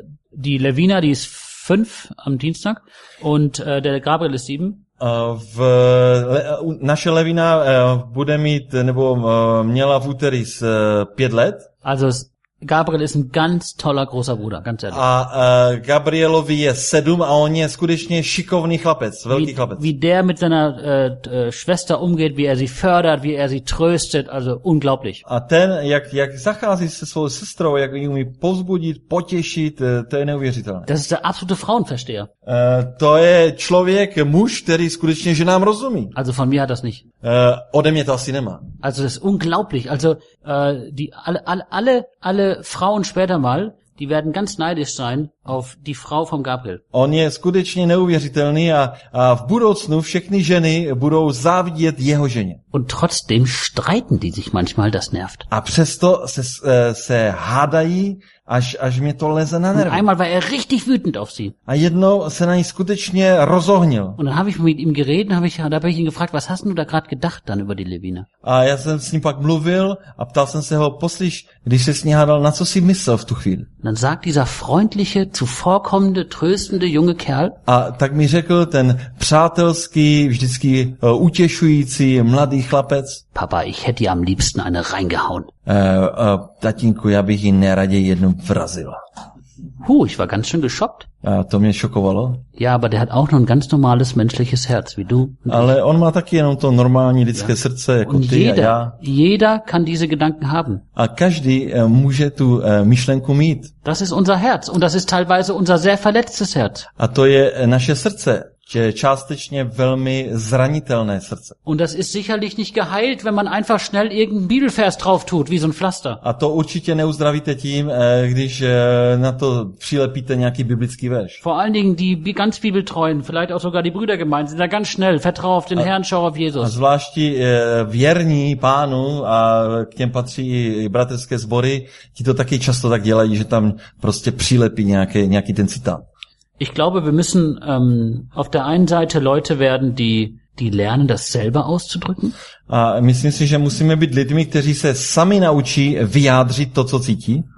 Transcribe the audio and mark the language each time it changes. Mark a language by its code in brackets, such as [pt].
[de] Die Levina, die ist 5 am Dienstag und der Gabriel ist 7. [cs] Naše Levina bude mít nebo měla v úterý 5 let. [de] Also Gabriel ist ein ganz toller großer Bruder, ganz ehrlich. [cs] A Gabrielovi je 7 a on je skutečně šikovný chlapec, velký chlapec. [de] Wie der mit seiner Schwester umgeht, wie er sie fördert, wie er sie tröstet, also unglaublich. [cs] A ten, jak zachází se svou sestrou, jak ji umí povzbudit, potěšit, to je neuvěřitelné. [de] Das ist der absolute Frauenversteher. [cs] To je člověk, muž, který skutečně ženám rozumí. [de] Also von mir hat das nicht. [cs] Ode mě to asi nemá. [de] Also das ist unglaublich, also alle Frauen später mal, die werden ganz neidisch sein auf die Frau vom Gabriel. [cs] On je skutečně neuvěřitelný a v budoucnu všechny ženy budou závidět jeho ženě. [de] Und trotzdem streiten die sich manchmal, das nervt. [cs] A přesto se hádají, až mě to leze na nervy. [de] Und einmal war er richtig wütend auf sie. [cs] A jednou se na ní skutečně rozohnil. [de] Und dann habe ich mit ihm geredet, habe ich ihn gefragt, was hast du da gerade gedacht dann über die Levina? [cs] A já jsem s ním pak mluvil a ptal jsem se ho, poslyš, když se s ní hádal, na co si myslel v tu chvíli? [de] Dann sagt dieser freundliche, zuvorkommende, tröstende junge Kerl. [cs] A tak mi řekl ten přátelský, vždycky utěšující mladý chlapec. [de] Papa, ich hätte am liebsten eine reingehauen. [cs] Tatínku, já bych ji neraději jednou vrazil. [de] Ich war ganz schön geschockt. [cs] To mě šokovalo. [de] Ja, aber der hat auch noch ein ganz normales menschliches Herz, wie du. [cs] Ale on má taky jenom to normální lidské srdce, jako ty a já. [de] Jeder kann diese Gedanken haben. [cs] A každý může tu myšlenku mít. [de] Das ist unser Herz und das ist teilweise unser sehr verletztes Herz. [cs] A to je naše srdce. Je částečně velmi zranitelné srdce. [de] Und das ist sicherlich nicht geheilt, wenn man einfach schnell irgendein Bibelvers drauf tut, wie so ein Pflaster. [cs] A to určitě neuzdravíte tím, když na to přilepíte nějaký biblický verš. [de] Vor allen Dingen die ganz bibeltreuen, vielleicht auch sogar die Brüdergemeinden, sind da ganz schnell, vertrau auf den Herrn, schau auf Jesus. [cs] A zvlášť věrní pánu a k těm patří i bratrské sbory, ti to taky často tak dělají, že tam prostě přilepí nějaký ten citát. [de] Ich glaube, wir müssen auf der einen Seite Leute werden, die lernen, das selber auszudrücken. [cs] A myslím si, že musíme být lidmi, kteří se sami naučí vyjádřit to, co cítí.